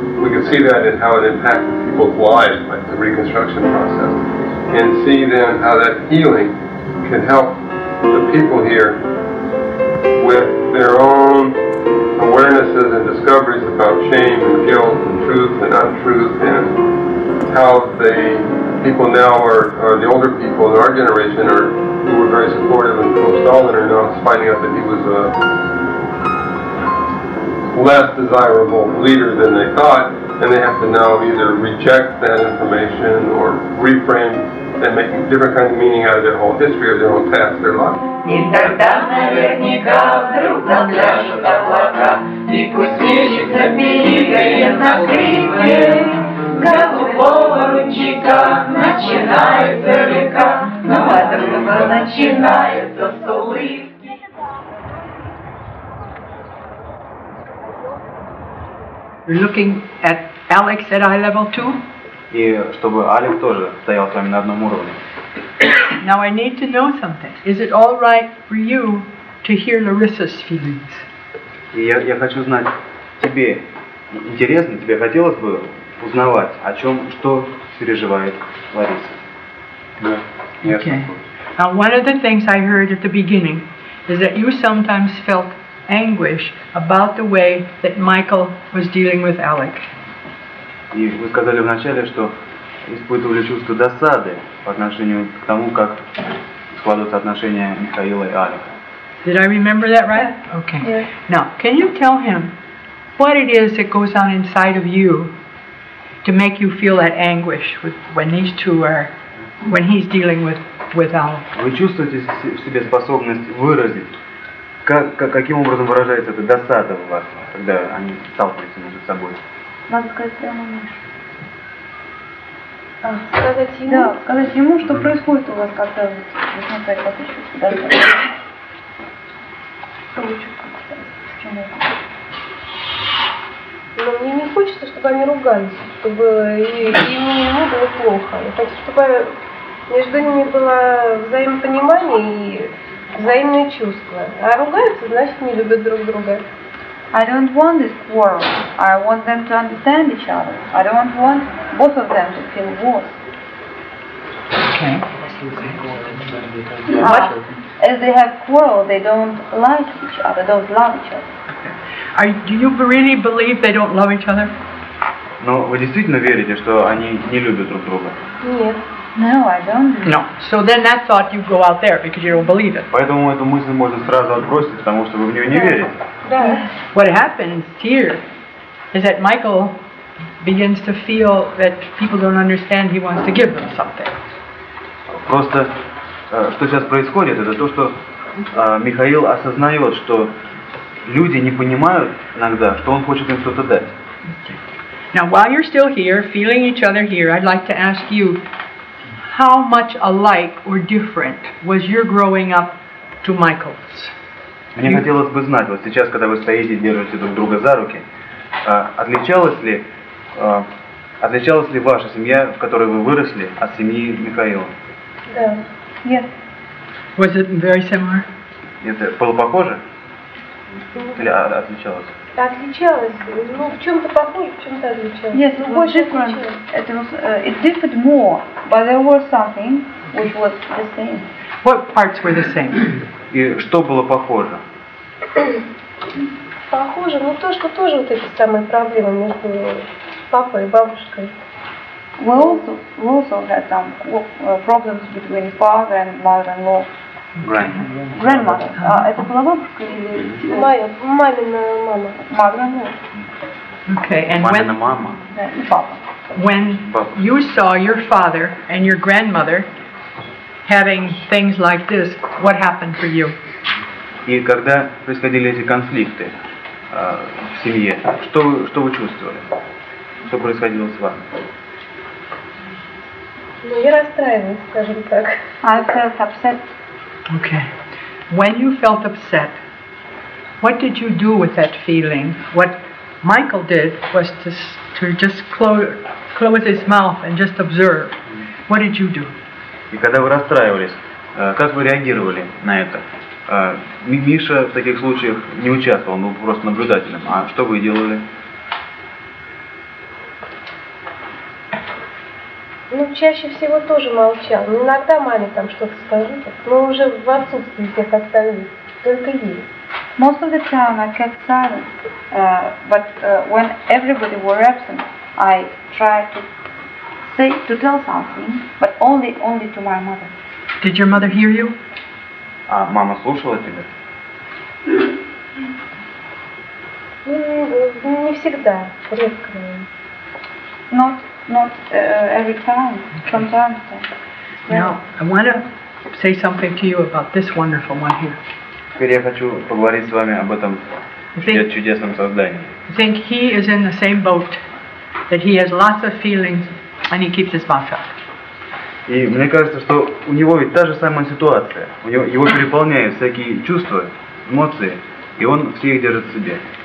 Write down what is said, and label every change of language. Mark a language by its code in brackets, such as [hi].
[en] We can see that in how it impacted people's lives, like the reconstruction process, and see then how that healing can help the people here with their own awarenesses and discoveries about shame and guilt and truth and untruth, and how the people now are the older people in our generation are, who were very supportive and pro-Stalin, are now finding out that he was a less desirable leader than they thought, and they have to now either reject that information or reframe and make a different kind of meaning out of their whole history or their own past, their life. [ru] И тогда наверняка вдруг запляшут облака, и пусть мечется великая на крике голубого ручейка, начинается река, но это только начинается с улыбки. [en] Looking at Alex at eye level too. [ru] И чтобы Алек тоже стоял с вами на одном уровне. [en] Now I need to know something. Is it all right for you to hear Larissa's feelings? [ru] Я хочу знать, тебе интересно, тебе хотелось бы узнавать, о чем, что переживает Лариса? [en] Okay. Now one of the things I heard at the beginning is that you sometimes felt anguish about the way that Michael was dealing with Alec. [ru] И вы сказали вначале, что испытывали чувство досады по отношению к тому, как складываются отношения Михаила и Алика. [en] Did I remember that right? Okay. Yeah. Now, can you tell him what it is that goes on inside of you to make you feel that anguish with, when these two are, when he's dealing with Alec? [ru] Вы чувствуете в себе способность выразить, каким образом выражается эта досада в вас, когда они сталкиваются между собой? Надо сказать прямо, Миша. Сказать ему, что происходит у вас, когда вот смотрите, вот еще сюда. Что вы чувствуете? С чем это? Но мне не хочется, чтобы они ругались, чтобы и ему было плохо. Я хочу, чтобы между ними было взаимопонимание и взаимные чувства. А ругаются, значит, не любят друг друга. [en] I don't want this quarrel. I want them to understand each other. I don't want both of them to feel worse. Okay. But as they have quarrel, they don't like each other, don't love each other. Okay. Do you really believe they don't love each other? [ru] Но вы действительно верите, что они не любят друг друга? Нет. [en] No, I don't. No. So then that thought you go out there because you don't believe it. [ru] Поэтому эту мысль можно сразу отбросить, потому что вы в неё не верите. [en] Yeah. What happens here is that Michael begins to feel that people don't understand he wants to give them something. [ru] Просто что сейчас происходит, это то, что Михаил осознает, что люди не понимают иногда, что он хочет им что-то дать. [en] Now while you're still here, feeling each other here, I'd like to ask you, how much alike or different was your growing up to Michael's? [ru] Мне хотелось бы знать, вот сейчас, когда вы стоите и держите друг друга за руки, отличалась ли ваша семья, в которой вы выросли, от семьи Михаила? Да. Yeah. [en] Was it very similar? [ru] Это было похоже? Или отличалось? Отличалось. Ну, в чем-то похоже, в чем-то отличалось. [en] Yes, it was different. It differed more, but there was something which was the same. What parts were the same? [ru] И что было похоже? Похоже, ну то, что тоже вот эти самые проблемы между папой и бабушкой. [en] We also had some problems between father and mother-in-law. Grandmother. [ru] Это была бабушка или мамина мама? Мама. [en] Okay, and when Papa. You saw your father and your grandmother having things like this, what happened for you? [ru] И когда происходили эти конфликты в семье, что вы чувствовали? Что происходило с вами? [en] I felt upset. Okay. When you felt upset, what did you do with that feeling? What Michael did was to just close his mouth and just observe. What did you do? [ru] И когда вы расстраивались, как вы реагировали на это? Миша в таких случаях не участвовал, он был просто наблюдателем. А что вы делали? Ну, чаще всего тоже молчал. Ну, иногда маме там что-то скажу, но уже в отсутствии всех остальных. Только ей. [en] Most of the time I kept silent. But when everybody were absent, I tried to say, to tell something, but only to my mother. Did your mother hear you? [ru] А мама слушала тебя? Не всегда, редко. [en] Not every time, from time to time. Now, I want to say something to you about this wonderful one here. [ru] Теперь я хочу поговорить с вами об этом чудесном создании. [en] I think he is in the same boat, that he has lots of feelings and he keeps his mouth shut. [ru] И мне кажется, что у него ведь та же самая ситуация. Его переполняют всякие чувства, эмоции, и он все их держит в себе.